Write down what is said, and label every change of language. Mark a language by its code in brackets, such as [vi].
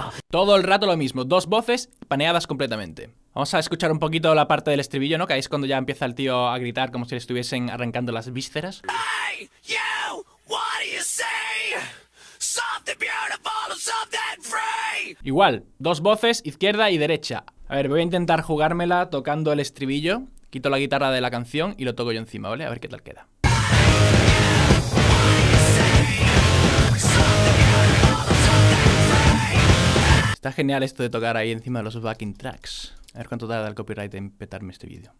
[es] Todo el rato lo mismo, dos voces paneadas completamente. Vamos a escuchar un poquito la parte del estribillo, ¿no? Que ahí es cuando ya empieza el tío a gritar como si le estuviesen arrancando las vísceras. [en] Hey, you, what do you say? Something beautiful, something free. [es] Igual, dos voces, izquierda y derecha. A ver, voy a intentar jugármela tocando el estribillo. Quito la guitarra de la canción y lo toco yo encima, ¿vale? A ver qué tal queda. Está genial esto de tocar ahí encima de los backing tracks. A ver cuánto tarda el copyright en petarme este vídeo.